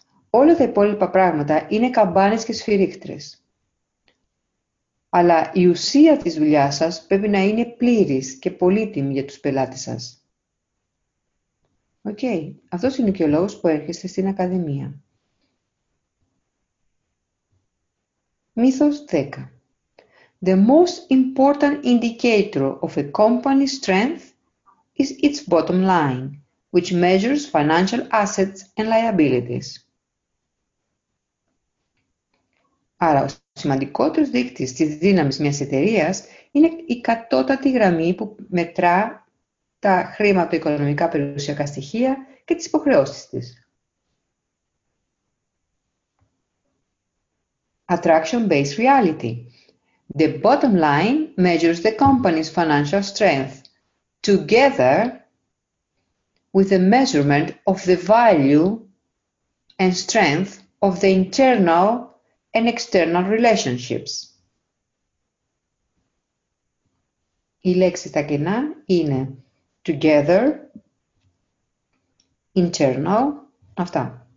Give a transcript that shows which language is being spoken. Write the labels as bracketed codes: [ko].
[el] Όλα τα υπόλοιπα πράγματα είναι καμπάνες και σφυρίχτρες. Αλλά η ουσία της δουλειάς σας πρέπει να είναι πλήρης και πολύτιμη για τους πελάτες σας. Οκ. Okay. Αυτός είναι και ο λόγος που έρχεστε στην Ακαδημία. Μύθος 10. [en] The most important indicator of a company's strength is its bottom line, which measures financial assets and liabilities. [el] Άρα, ο σημαντικότερος δείκτης της δύναμης μιας εταιρείας είναι η κατώτατη γραμμή που μετρά τα χρήματα, οικονομικά περιουσιακά στοιχεία και τις υποχρεώσεις της. [en] Attraction-based reality. The bottom line measures the company's financial strength together with the measurement of the value and strength of the internal and external relationships. [el] Η λέξη τα κενά είναι together, internal, αυτά.